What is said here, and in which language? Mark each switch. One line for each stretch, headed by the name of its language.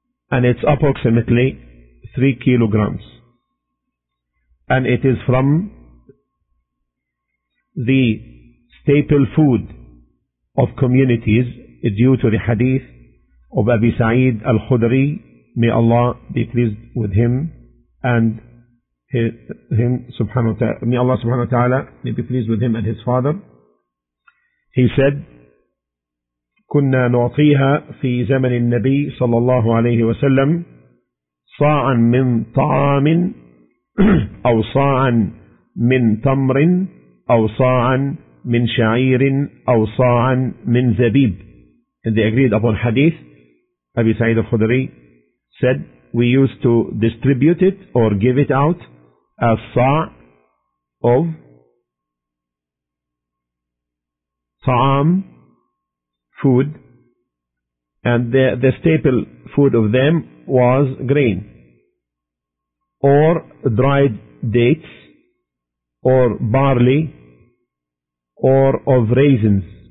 English: And it's approximately 3 kilograms. And it is from the staple food of communities due to the hadith of Abi Sa'id al-Khudri, may Allah be pleased with him and him subhanahu wa ta'ala, may Allah subhanahu wa ta'ala be pleased with him and his father.
Arabic: He said, كنا نعطيها في زمن النبي صلى الله عليه وسلم صاعا من طعام أو صاعا من تمر أو صاعا من شعير أو صاعا من زبيب.
English: And they agreed upon hadith. Abi Sa'id al-Khudri said, we used to distribute it or give it out as sa' of ta'am, food, and the staple food of them was grain or dried dates or barley or of raisins.